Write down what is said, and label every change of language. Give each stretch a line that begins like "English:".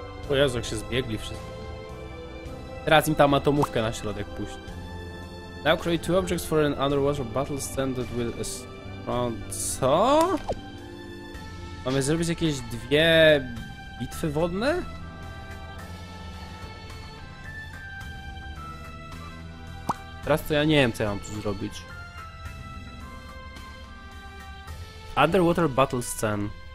Polish: O Jezu, jak się zbiegli wszyscy. Teraz im tam atomówkę na środek puść.
English: Now create two objects for an underwater battle stand that will surround...
Polish: Co? Mamy zrobić jakieś dwie bitwy wodne? Teraz to ja nie wiem, co ja mam tu zrobić.
English: Underwater battle stand.